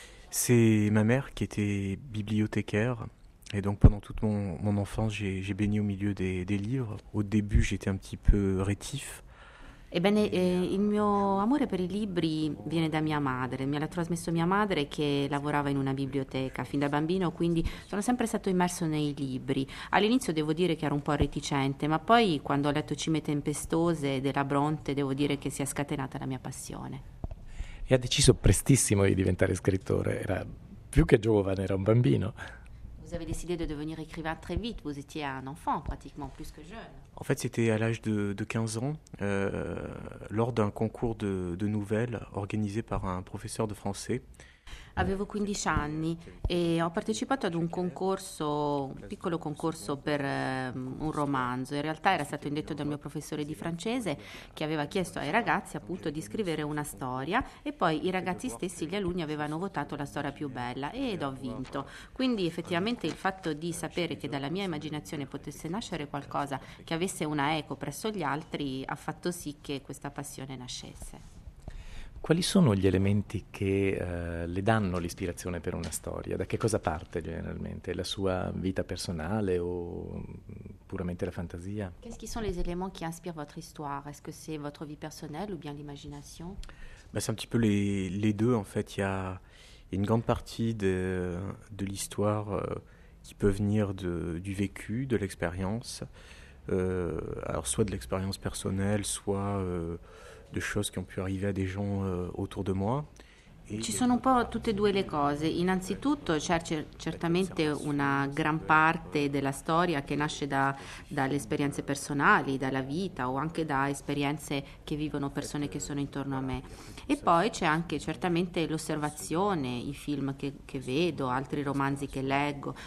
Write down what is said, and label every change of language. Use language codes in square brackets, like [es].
[fr] C'est ma mère qui était bibliothécaire. Et donc pendant toute mon enfance, j'ai baigné au milieu des livres. Au début, j'étais un petit peu rétif. [it] Ebbene, il mio amore per i libri viene da mia madre. Me l'ha trasmesso mia madre, che lavorava in una biblioteca fin da bambino, quindi sono sempre stato immerso nei libri. All'inizio devo dire che ero un po' reticente, ma poi quando ho letto Cime tempestose della Bronte, devo dire che si è scatenata la mia passione. E ha deciso prestissimo di diventare scrittore. Era più che giovane, era un bambino. [fr] vous avez décidé de devenir écrivain très vite. Vous étiez un enfant, pratiquement, plus que jeune. En fait, c'était à l'âge de 15 ans, lors d'un concours de nouvelles organisé par un professeur de français. [it] Avevo 15 anni e ho partecipato ad un concorso, un piccolo concorso per un romanzo. In realtà era stato indetto dal mio professore di francese che aveva chiesto ai ragazzi appunto di scrivere una storia e poi i ragazzi stessi, gli alunni, avevano votato la storia più bella ed ho vinto. Quindi effettivamente il fatto di sapere che dalla mia immaginazione potesse nascere qualcosa che avesse una eco presso gli altri ha fatto sì che questa passione nascesse. Quali sono gli elementi che le danno l'ispirazione per una storia? Da che cosa parte generalmente? La sua vita personale o puramente la fantasia? [fr] Qu'est-ce qui sont les éléments qui inspirent votre histoire? Est-ce que c'est votre vie personnelle ou bien l'imagination? Bah, c'est un petit peu les deux en fait. Il y a une grande partie de l'histoire qui peut venir du vécu, de l'expérience. Alors soit de l'expérience personnelle, soit de choses qui ont pu arriver à des gens autour de moi. [it] Ci sono un po' tutte e due le cose. Innanzitutto c'è certamente una gran parte della storia che nasce dalle esperienze personali, dalla vita o anche da esperienze che vivono persone che sono intorno a me. E poi c'è anche certamente l'osservazione, i film che vedo, altri romanzi che leggo.